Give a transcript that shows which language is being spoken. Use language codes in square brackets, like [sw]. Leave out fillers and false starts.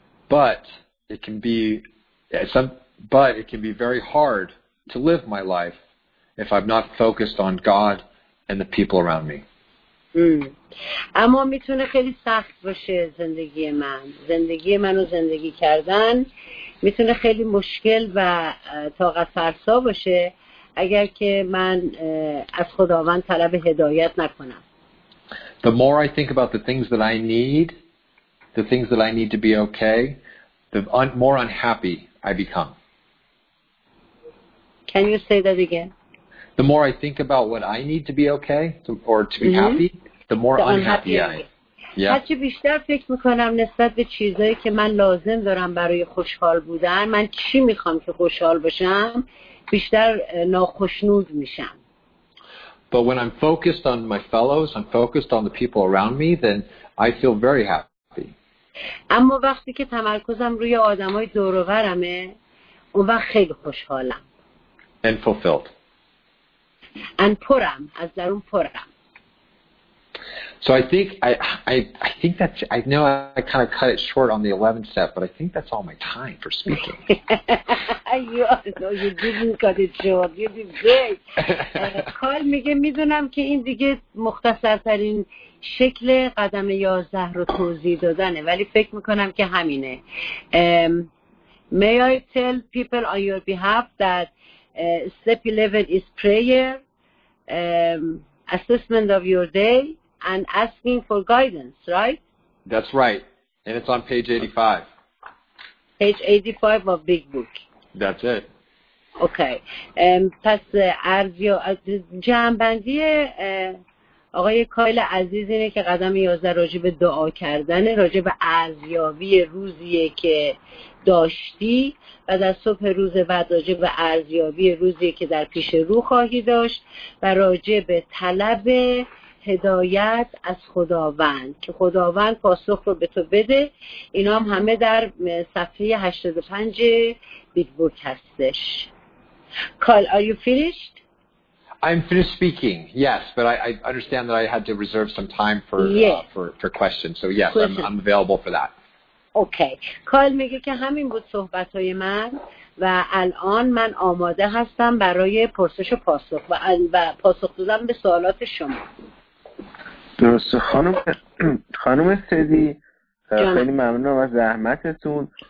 [en] But it can be very hard to live my life if I'm not focused on God and the people around me. [fa] اما میتونه خیلی سخت باشه زندگی من، زندگی منو زندگی کردن میتونه خیلی مشکل و طاقت فرسا باشه اگر که من از خداوند طلب هدایت نکنم. [en] The more I think about the things that I need, the things that I need to be okay, the more unhappy I become. Can you say that again? The more I think about what I need to be okay or to be happy, the more unhappy I am. Yeah. [fa] هرچی بیشتر فکر میکنم نسبت به چیزایی که من لازم دارم برای خوشحال بودن، من چی میخوام که خوشحال باشم، بیشتر ناخشنود میشم. [en] But when I'm focused on my fellows, I'm focused on the people around me, then I feel very happy. [fa] اما وقتی که تمرکزم روی آدمای دور و برمه، اون وقت خیلی خوشحالم. [en] And fulfilled. [fa] And پرم، از درون پرم. [en] So I think that's, I know I kind of cut it short on the 11th step, but I think that's all my time for speaking. you didn't cut it short. You did great. [fa] Carl میگه میدونم که این دیگه مختصرترین شکل قدم 11 رو توضیح دادنه، ولی فکر میکنم که همینه. [en] May I tell people on your behalf that step 11 is prayer, assessment of your day, and asking for guidance, right? That's right. And it's on page 85. Page 85 of Big Book. That's it. Okay. [fa] پس ارزیو جمع‌بندی آقای کایل عزیز اینه که قدم 11 راجع به دعا کردن، راجع به ارزیابی روزیه که داشتی و در صبح روز بعد راجع به ارزیابی روزیه که در پیش رو خواهی داشت و راجع به طلب هدایت از خداوند که خداوند پاسخ رو به تو بده. اینا هم همه در صفحه 85 بیگ بوک هستش. [en] Carl, are you finished? I'm finished speaking. Yes, but I understand that I had to reserve some time for for questions. So yes, I'm available for that. Okay. [fa] Carl میگه که همین بود صحبت‌های من و الان من آماده هستم برای پرسش و پاسخ و پاسخ دادن به سوالات شما. درسته. خانم سیدی خیلی ممنونم از زحمتتون.